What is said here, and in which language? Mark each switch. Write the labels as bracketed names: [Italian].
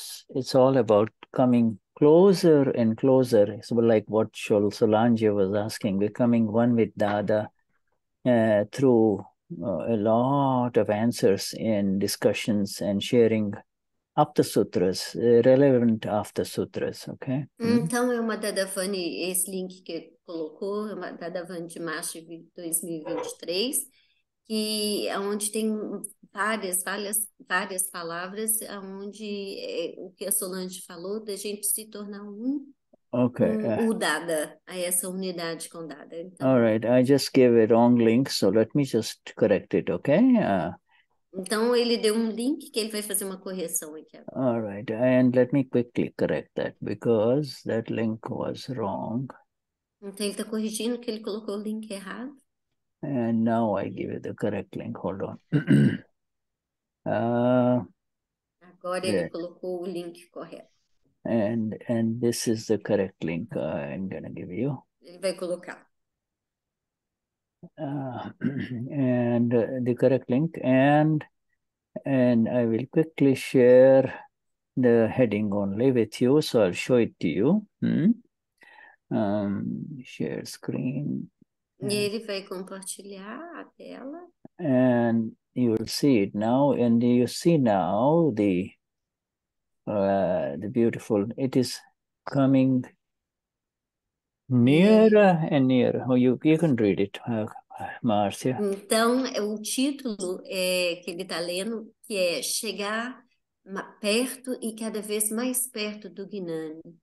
[English] It's all about coming closer and closer. It's like what Shol Solange was asking, becoming one with Dada through a lot of answers and discussions and sharing After sutras, relevant after sutras, okay? [Portuguese] Então é uma Dadavani, esse link que colocou, é uma Dadavani de março de 2023, que é onde tem várias palavras, onde o que a Solange falou, da gente se tornar [English] Okay. [Portuguese] O Dada, a essa unidade com Dada. Então, [English] all right, I just gave a wrong link, so let me just correct it, okay? [Portuguese] Então, ele deu um link que ele vai fazer uma correção aqui. [English] All right. And let me quickly correct that, because that link was wrong. [Portuguese] Então, ele está corrigindo que ele colocou o link errado. [English] And now I give you the correct link. Hold on. [Portuguese] Agora ele colocou o link correto. [English] And this is the correct link I'm going to give you. [Portuguese] Ele vai colocar. [English] And the correct link, and I will quickly share the heading only with you, so I'll show it to you. Share screen. [Portuguese] E ele vai compartilhar a tela. [English] And you will see it now, and you see now the beautiful, it is coming nearer and nearer. Oh, you can read it. Marcia. [Portuguese] Então, o título é, que ele está lendo, que é chegar perto e cada vez mais perto do Gnani.